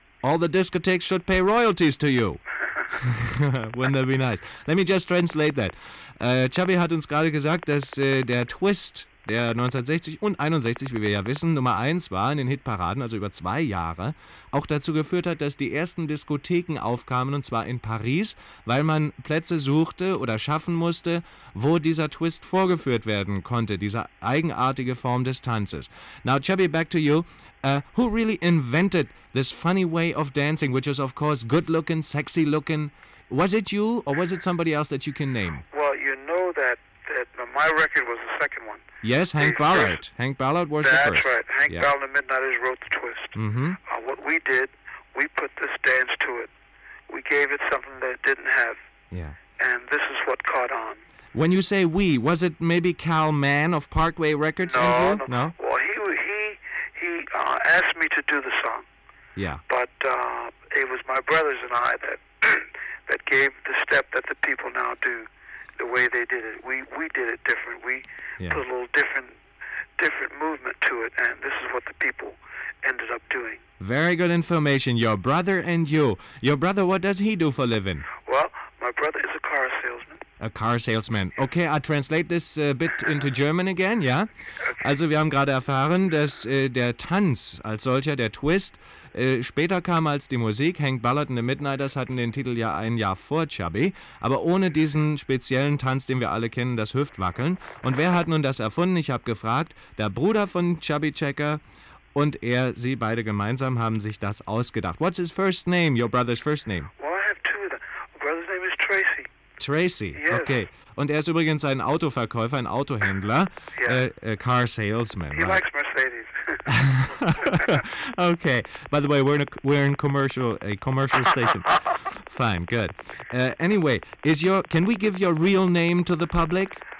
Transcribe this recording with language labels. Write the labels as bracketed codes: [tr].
[en] All the discotheques should pay royalties to you. Wouldn't that be nice? Let me just translate that. [de] Chubby hat uns gerade gesagt, dass der Twist, der 1960 und 61, wie wir ja wissen, Nummer 1 war in den Hitparaden, also über 2 Jahre, auch dazu geführt hat, dass die ersten Diskotheken aufkamen, und zwar in Paris, weil man Plätze suchte oder schaffen musste, wo dieser Twist vorgeführt werden konnte, diese eigenartige Form des Tanzes. [en] Now, Chubby, back to you. Who really invented this funny way of dancing, which is, of course, good-looking, sexy-looking? Was it you, or was it somebody else that you can name? Well, you know that my record was the second one. Yes, Hank Ballard. Hank Ballard was the first. That's right. Hank Ballard and Midnighters wrote the Twist. Mm-hmm. What we did, we put this dance to it. We gave it something that it didn't have. Yeah. And this is what caught on. When you say we, was it maybe Cal Mann of Parkway Records? No. Well, he asked me to do the song. Yeah. But it was my brothers and I that that gave the step that the people now do. The way they did it, we did it different. We put a little different movement to it, and this is what the people ended up doing. Very good information. Your brother and you. Your brother, what does he do for a living? Well, my brother is a car salesman. A car salesman. Yes. Okay, I translate this bit into German again, yeah? Okay. [de] Also, wir haben gerade erfahren, dass der Tanz als solcher, der Twist, später kam als die Musik. Hank Ballard und The Midnighters hatten den Titel ja ein Jahr vor Chubby, aber ohne diesen speziellen Tanz, den wir alle kennen, das Hüftwackeln. Und wer hat nun das erfunden? Ich habe gefragt, der Bruder von Chubby Checker und er, sie beide gemeinsam, haben sich das ausgedacht. [en] What's his first name, your brother's first name? Well, I have two of them. Brother's name is Tracy. Tracy, yes. Okay. [de] Und er ist übrigens ein Autoverkäufer, ein Autohändler, [en] a car salesman. He likes Mercedes. Okay. By the way, we're in a commercial station. Fine, good. Anyway, can we give your real name to the public?